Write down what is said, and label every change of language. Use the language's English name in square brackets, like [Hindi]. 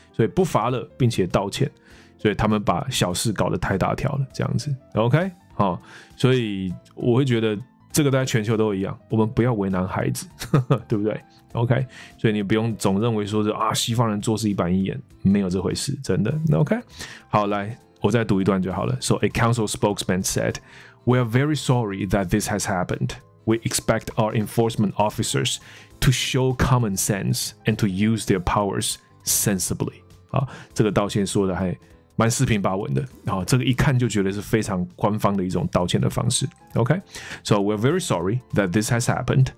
[Chinese] 所以不罚了，并且道歉。所以他们把小事搞得太大条了这样子。 OK， 好，所以我会觉得。这个大家全球都一样，我们不要为难孩子，呵呵，对不对 ？OK， 所以你不用总认为说是啊，西方人做事一板一眼，没有这回事，真的。 OK， 好，来，我再读一段就好了。 [English] So a council spokesman said, "We are very sorry that this has happened. We expect our enforcement officers to show common sense and to use their powers sensibly." [Chinese] 啊，这个道歉说的还蛮四平八稳的，好，这个一看就觉得是非常官方的一种道歉的方式。 [English] OK， so we're very sorry that this has happened。